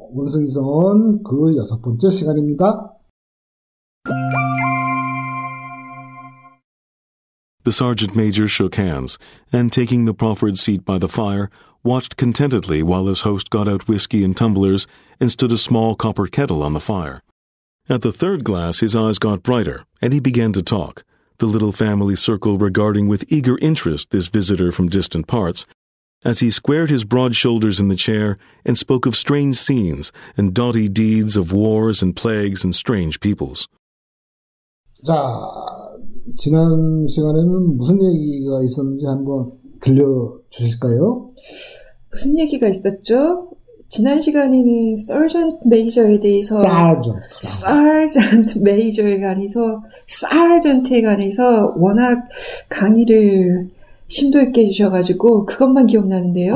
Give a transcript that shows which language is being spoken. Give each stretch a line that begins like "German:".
Korean: 원숭이손 그 여섯 번째 시간입니다.
English: The sergeant major shook hands and, taking the proffered seat by the fire, watched contentedly while his host got out whiskey and tumblers and stood a small copper kettle on the fire. At the third glass, his eyes got brighter and he began to talk, the little family circle regarding with eager interest this visitor from distant parts, as he squared his broad shoulders in the chair and spoke of strange scenes and doughty deeds of wars and plagues and strange peoples.
Korean: 자, 지난 시간에는 무슨 얘기가 있었는지 한번 들려주실까요? 무슨 얘기가 있었죠? 지난 시간에는 서전트 메이저에 대해서 Sergeant라고. 서전트 메이저에 관해서 서전트에 관해서 워낙 강의를 심도 있게 해주셔가지고 그것만 기억나는데요.